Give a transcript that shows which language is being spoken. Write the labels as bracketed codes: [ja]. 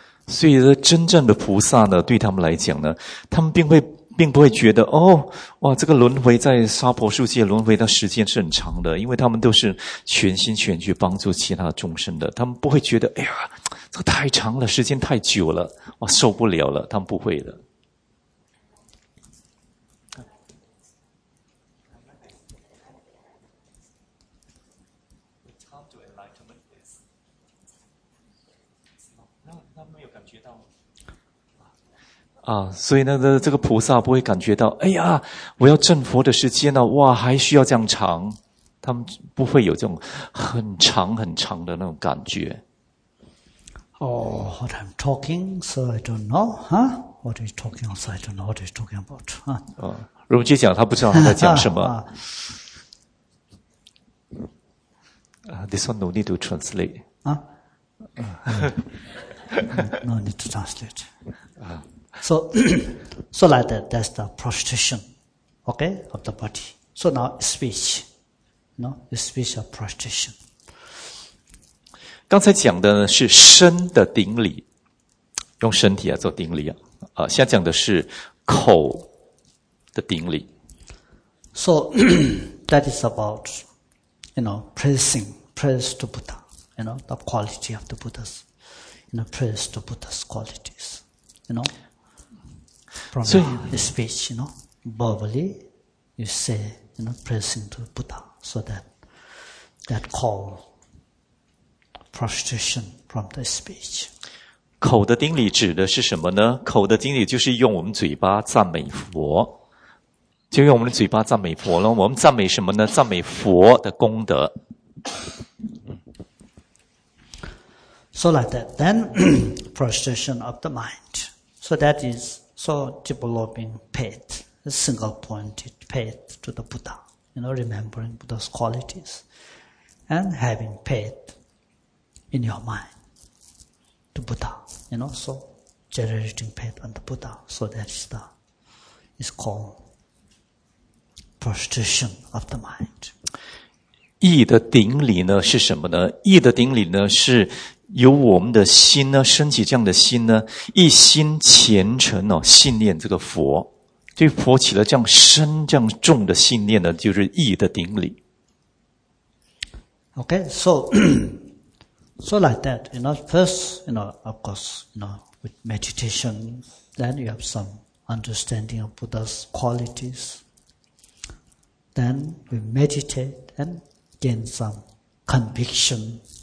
[zh] 所以呢，真正的菩萨呢，对他们来讲呢，他们并不会觉得哦，哇，这个轮回在娑婆世界轮回的时间是很长的，因为他们都是全心全去帮助其他众生的，他们不会觉得哎呀，这个太长了，时间太久了，哇，受不了了，他们不会的。啊，所以呢，这个菩萨不会感觉到，哎呀，我要证佛的时间呢，哇，还需要这样长，他们不会有这种很长很长的那种感觉。 [en] Oh, what I'm talking, so I don't know, huh? What he's talking, so I don't know what he's talking about, huh? [zh] 如果接讲，他不知道他在讲什么。 [en] This one no need to translate. No need to translate. So like that, that's the prostration, okay, of the body. So now speech, no, speech of prostration. [zh] 刚才讲的是身的顶礼，用身体来做顶礼啊。现在讲的是口的顶礼。 [en] So that is about, you know, praising, praise to Buddha, you know, the quality of the Buddha's, you know, praise to Buddha's qualities, you know. From the speech, you know, verbally, you say, you know, praising to Buddha, so that call prostration from the speech. [zh] 口的顶礼指的是什么呢？口的顶礼就是用我们嘴巴赞美佛，就用我们的嘴巴赞美佛了。我们赞美什么呢？赞美佛的功德。 [en] So like that, then prostration of the mind. So that is. So developing faith, a single-pointed faith to the Buddha, you know, remembering Buddha's qualities, and having faith in your mind to Buddha, you know, so generating faith on the Buddha. So that's called prostration of the mind. [zh] 意的顶礼呢是什么呢？意的顶礼呢是。由我们的心呢，升起这样的心呢，一心虔诚哦，信念这个佛，对佛起了这样深、这样重的信念呢，就是意的顶礼。 [en] Okay, so like that, you know, first, you know, of course, you know, with meditation, then you have some understanding of Buddha's qualities. Then we meditate and gain some conviction.